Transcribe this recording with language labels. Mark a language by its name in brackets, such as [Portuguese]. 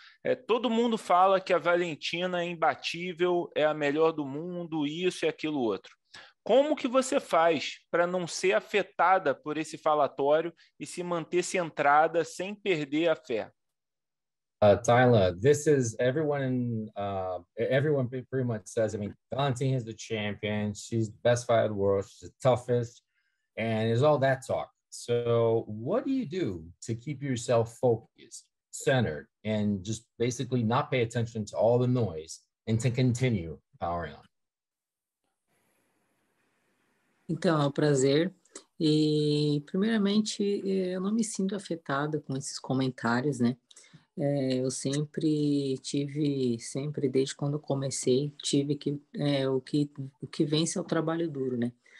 [Portuguese] É, todo mundo fala que a Valentina é imbatível, é a melhor do mundo, isso e aquilo outro. Como que você faz para não ser afetada por esse falatório e se manter centrada sem perder a fé? [English] Taila, this is everyone pretty much says, I mean, Valentina is the champion, she's the best fighter in the world, she's the toughest, and it's all that talk. So what do you do to keep yourself focused, centered, and just basically not pay attention to all the noise and to continue powering on? [Portuguese] Então, é um prazer. E primeiramente, eu não me sinto afetada com esses comentários, né? Eu sempre tive, sempre desde quando eu comecei, tive que o que vence é o trabalho duro, né?